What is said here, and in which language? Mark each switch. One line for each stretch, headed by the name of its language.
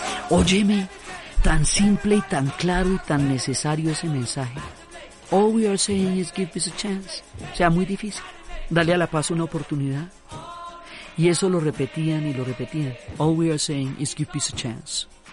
Spanish: Óyeme, tan simple y tan claro y tan necesario ese mensaje.
English: All we are saying is give this a chance.
Spanish: Sea muy difícil. Dale a la paz una oportunidad. Y eso lo repetían y lo repetían.
English: All we are saying is give peace a chance.